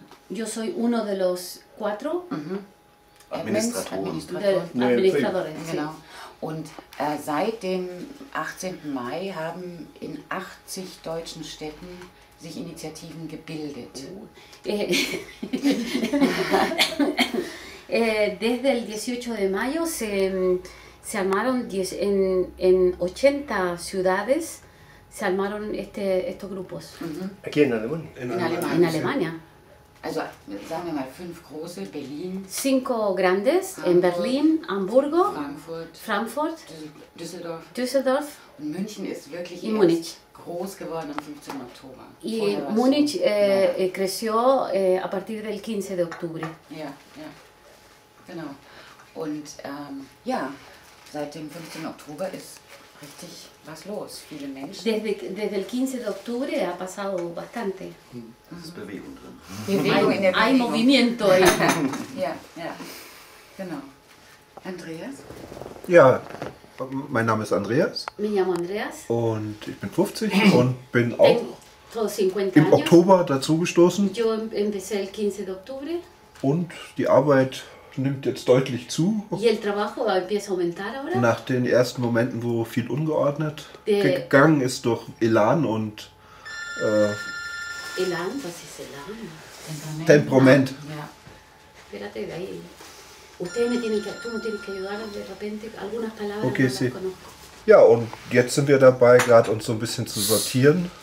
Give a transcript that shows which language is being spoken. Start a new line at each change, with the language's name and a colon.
Spanish: Yo soy uno de los cuatro
German: Administradores. Genau. Und seit dem 18. Mai haben in 80 deutschen Städten sich Initiativen gebildet.
Spanish: Desde el 18 de mayo se armaron en 80 ciudades. Se armaron estos grupos. Uh-huh. Aquí en Alemania. En Alemania.
German: Also, sagen wir mal, fünf große, Berlin.
Spanish: Cinco grandes, Hamburg, en Berlín, Hamburgo, Frankfurt, Düsseldorf. Düsseldorf.
German: Und München ist wirklich in Munich. Groß geworden am 15. Oktober.
Spanish: Y Munich creció a partir del 15 de octubre.
German: Ja, ja. Genau. Und ja, seit dem 15. Oktober ist richtig was los, viele Menschen.
Spanish: Desde el 15 de octubre ha pasado bastante.
German: Es ist Bewegung drin.
Spanish: Hay movimiento ahí.
German: Ja, ja. Genau. Andreas? Ja, mein Name ist Andreas.
Spanish: Me llamo Andreas.
German: Und ich bin 50 und bin auch im Oktober dazugestoßen.
Spanish: Yo empecé el 15 de octubre.
German: Und die Arbeit nimmt jetzt deutlich zu.
Spanish: Y el trabajo empieza a aumentar ahora.
German: Nach den ersten Momenten, wo viel ungeordnet gegangen ist durch Elan und Elan, was ist Elan? Temperament.
Spanish: Espérate, de ahí. Ustedes me tienen que, tú me tienes que ayudar de repente algunas palabras que no conozco.
German: Ja, und jetzt sind wir dabei, gerade uns so ein bisschen zu sortieren.